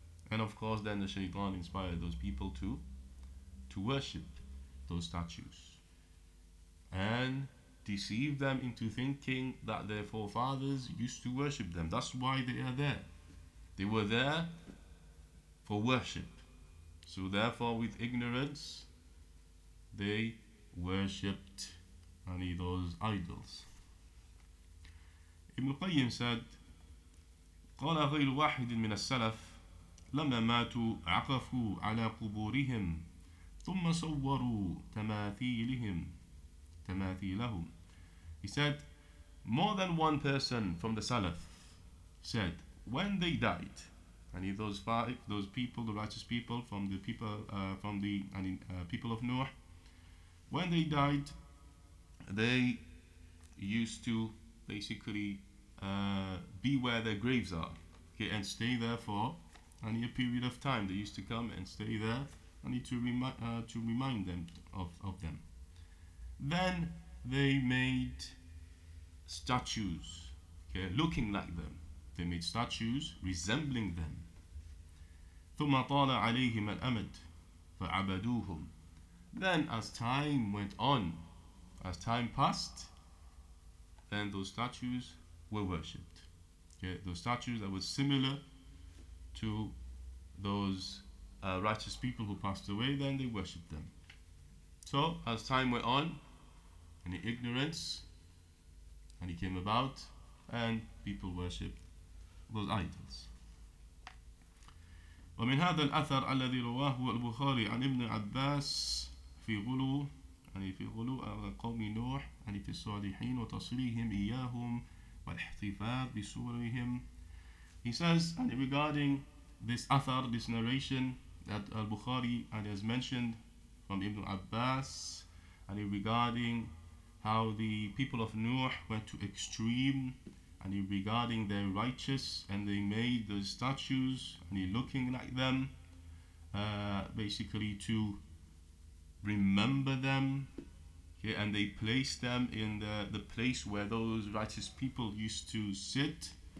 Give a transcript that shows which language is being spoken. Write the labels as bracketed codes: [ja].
[en] And of course then the shaitan inspired those people to worship those statues and deceive them into thinking that their forefathers used to worship them. That's why they are there. They were there for worship. So therefore with ignorance they worshipped any of those idols. Ibn Qayyim said, [ar] قال غير واحد من السلف لما ماتوا عقفوا على قبورهم ثم صوروا تماثيلهم. [en] He said, more than one person from the Salaf said, when they died, and those five, those people, the righteous people from the people from the people of Noah, when they died, they used to basically be where their graves are, okay, and stay there for any a period of time. They used to come and stay there, and to remind them of them. Then they made statues, okay, looking like them. They made statues resembling them. [ar] ثم طال عليهم الأمد فعبدوهم. [en] Then as time went on, as time passed, then those statues were worshipped. Okay, those statues that were similar to those righteous people who passed away, then they worshipped them. So as time went on, and the ignorance and it came about, and people worshipped those idols. [ar] ومن هذا الأثر الذي رواه البخاري عن ابن عباس في غلو يعني في غلو قوم نوح يعني في الصالحين وتصليهم إياهم والاحتفاظ بسورهم. [en] He says, and regarding this أثر, this narration that al-Bukhari and has mentioned from Ibn Abbas, and regarding how the people of Nuh went to extreme, and regarding their righteous, and they made the statues, and looking like them, basically to remember them, okay, and they placed them in the place where those righteous people used to sit.